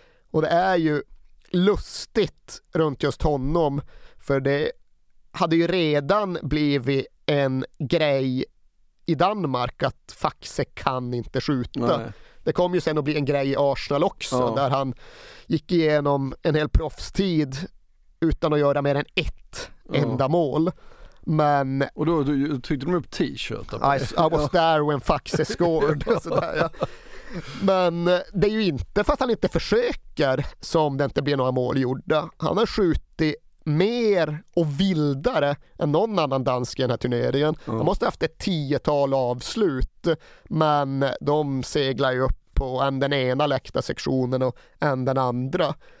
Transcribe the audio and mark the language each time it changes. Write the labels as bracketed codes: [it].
[sv] Och det är ju lustigt runt just honom, för det hade ju redan blivit en grej i Danmark att Faxe kan inte skjuta. Nej. Det kom ju sen att bli en grej i Arsenal också, där han gick igenom en hel proffstid utan att göra mer än ett enda mål. Men, och då tyckte de upp t-shirt. [en] I was there when Faxe scored. [sv] Sådär, ja. Men det är ju inte för att han inte försöker som det inte blir några mål gjorda. Han har skjutit mer och vildare än någon annan dansk i den här turneringen. Mm. Han måste ha haft ett 10-tal avslut, men de seglar ju upp på än den ena läktarsektionen och än den andra.